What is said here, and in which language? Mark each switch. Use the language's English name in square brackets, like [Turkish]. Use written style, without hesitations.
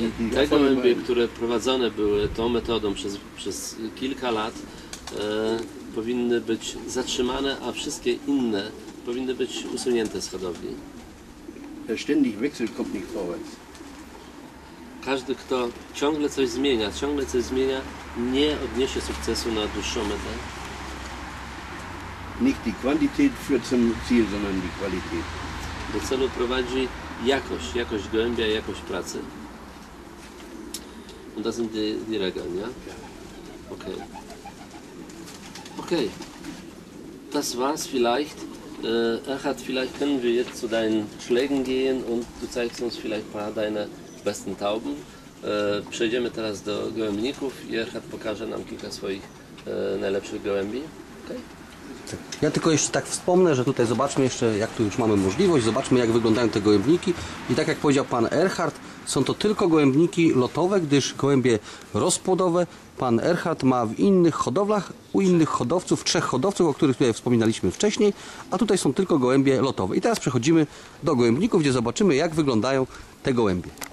[Polish] Ja, i te gołębie, które prowadzone były tą metodą przez kilka lat, powinny być zatrzymane, a wszystkie inne powinny być usunięte z hodowli. [German] Der ständig wechsel kommt nicht vorwärts. [Polish] Każdy, kto ciągle coś zmienia, nie odniesie sukcesu na dłuższą metę. [German] Nicht die Quantität führt zum Ziel, sondern die Qualität. [Polish] Do celu prowadzi jakość gołębia, jakość pracy. [German] Und das sind die Regeln, ja? Okay. Das war's vielleicht. Erhard, vielleicht können wir jetzt zu deinen Schlägen gehen und du zeigst uns vielleicht ein paar deine besten Tauben. [Polish] Przejdziemy teraz do gołębników i Erhard pokaże nam kilka swoich najlepszych gołębi. Okay? Ja tylko jeszcze tak wspomnę, że tutaj zobaczmy jeszcze, jak tu już mamy możliwość, zobaczmy, jak wyglądają te gołębniki. I tak jak powiedział pan Erhard, są to tylko gołębniki lotowe, gdyż gołębie rozpłodowe pan Erhard ma w innych hodowlach, u innych hodowców, trzech hodowców, o których tutaj wspominaliśmy wcześniej, a tutaj są tylko gołębie lotowe. I teraz przechodzimy do gołębników, gdzie zobaczymy, jak wyglądają te gołębie.